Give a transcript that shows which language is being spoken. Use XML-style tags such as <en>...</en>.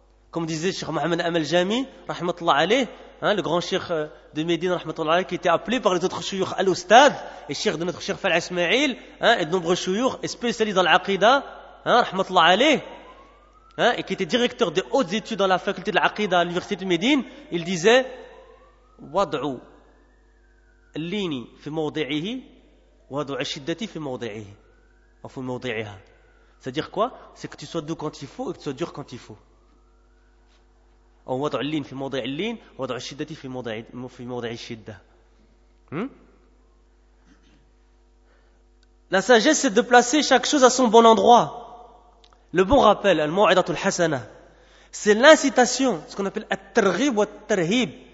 <fr>Comme disait Cheikh Mohamed Amel Jami, rahmatullah alayh, hein, le grand Cheikh de Médine, rahmatullah alayh, qui était appelé par les autres chouyours al-Ustad, et Cheikh de notre Cheikh Fal Ismail, hein, et de nombreux chouyours, et spécialistes dans l'aqida, hein, rahmatullah alayh. Hein, et qui était directeur des hautes études dans la faculté de l'Aqida à l'université de Médine, il disait:</fr> <ar>Wad'u lini fi mawdi'ihi وضع الشدة في موضعه أو في موضعها.</ar> <fr>C'est-à-dire quoi? C'est que tu sois doux quand il faut et que tu sois dur quand il faut. On voit dans l'in, fait mon dire l'in, on voit dans le shiddati, fait mon dire shidda. La sagesse, c'est de placer chaque chose à son bon endroit. Le bon rappel, al-mu'idatul hasana, c'est l'incitation, ce qu'on appelle at-targhib ou at-tarhib.</fr>